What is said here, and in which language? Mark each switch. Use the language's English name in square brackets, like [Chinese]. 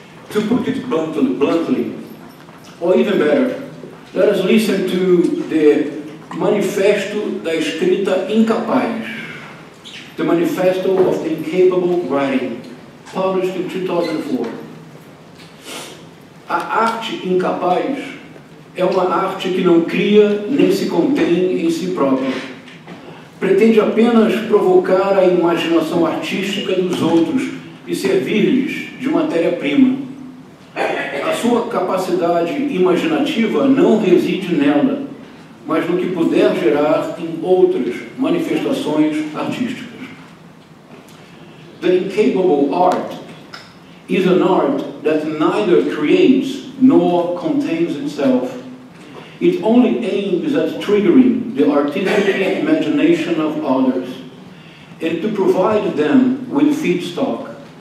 [English] To put it bluntly, or even better, let us listen to the Manifesto da Escrita Incapaz, the Manifesto of the Incapable Writing, published in 2004. [Portuguese] A arte incapaz é uma arte que não cria nem se contém em si própria. Pretende apenas provocar a imaginação artística dos outros e servir-lhes de matéria-prima. A sua capacidade imaginativa não reside nela, mas no que puder gerar em outras manifestações artísticas. [English] The incapable art is an art that neither creates nor contains itself. It only aims at triggering the artistic imagination of others and to provide them with feedstock.